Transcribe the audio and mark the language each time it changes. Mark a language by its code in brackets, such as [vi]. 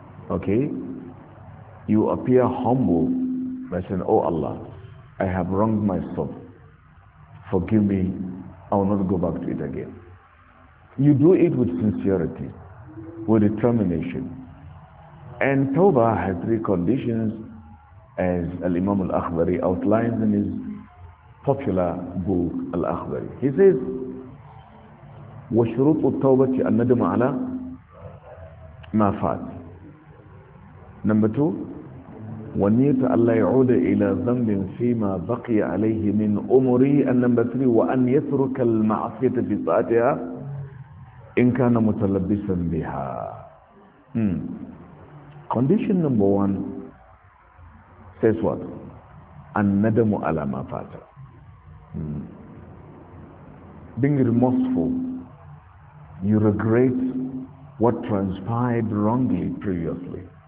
[en] Okay, you appear humble by saying, oh Allah, I have wronged myself, forgive me, I will not go back to it again. You do it with sincerity, with determination. And tawbah has three conditions, as Al-Imam Al-Akhbari outlines in his popular book Al-Akhbari. He says, [ar] وَشُرُوطُ التَّوْبَةِ أَنَّدُمَ عَلَىٰ مَا فَاتْ. [en] Number two, [ar] وَنِيَتَ أَلَّا يَعُودَ إِلَىٰ ذَنْبٍ فِي مَا بَقِيَ عَلَيْهِ مِنْ أُمُرِي. [en] And number three, [ar] وَأَنْ يَتْرُكَ الْمَعْصِيَةِ فِي صَاتِهَا إِنْ كَانَ مُتَلَبِّسًا بِهَا. [en] Condition number one says what? [ar] أَنَّدَمُ عَلَىٰ مَا فَاتْ. [en] Being remorseful, you regret what transpired wrongly previously.